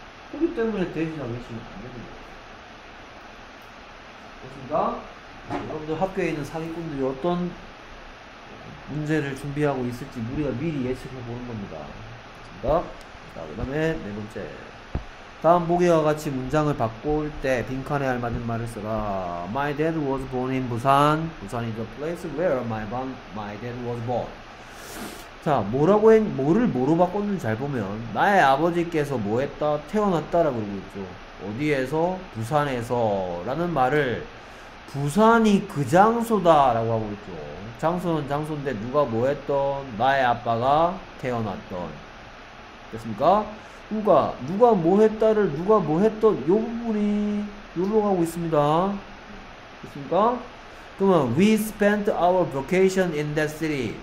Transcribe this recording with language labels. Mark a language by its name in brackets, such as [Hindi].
[Korean] 그렇기 때문에 대신 하겠지만 안 되는 거야. 됐습니다. 여러분들 학교에 있는 사기꾼들이 어떤 문제를 준비하고 있을지 우리가 미리 예측해 보는 겁니다. 됐습니다. 자, 그 다음에 네 번째. 다음 보기와 같이 문장을 바꿀 때 빈칸에 알맞은 말을 써라. [English] My dad was born in Busan. Busan is the place where my dad was born. [Korean] 자, 뭐라고 했, 뭐를 뭐로 바꿨는지 잘 보면 나의 아버지께서 뭐 했다? 태어났다라고 그러고 있죠. 어디에서? 부산에서 라는 말을 부산이 그 장소다 라고 하고 있죠. 장소는 장소인데 누가 뭐 했던? 나의 아빠가 태어났던. 됐습니까? 그러니까 누가 뭐 했다를 누가 뭐 했던 요 부분이 요로 가고 있습니다. 됐습니까? 그러면 [English] We spent our vacation in that city.